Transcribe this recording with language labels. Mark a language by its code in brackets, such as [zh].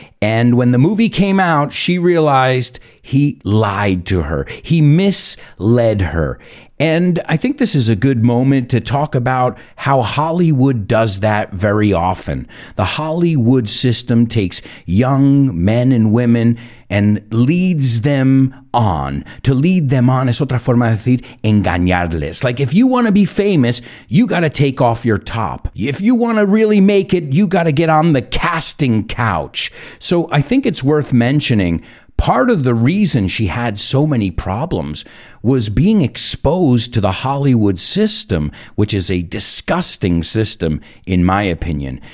[en] And when the movie came out, she realized he lied to her. He misled her. And I think this is a good moment to talk about how Hollywood does that very often. The Hollywood system takes young men and women and leads them on. To lead them on [es] es otra forma de decir engañarles. [en] Like, if you want to be famous, you got to take off your top. If you want to really make it, you got to get on the casting couch. So I think it's worth mentioning, part of the reason she had so many problems was being exposed to the Hollywood system, which is a disgusting system, in my opinion.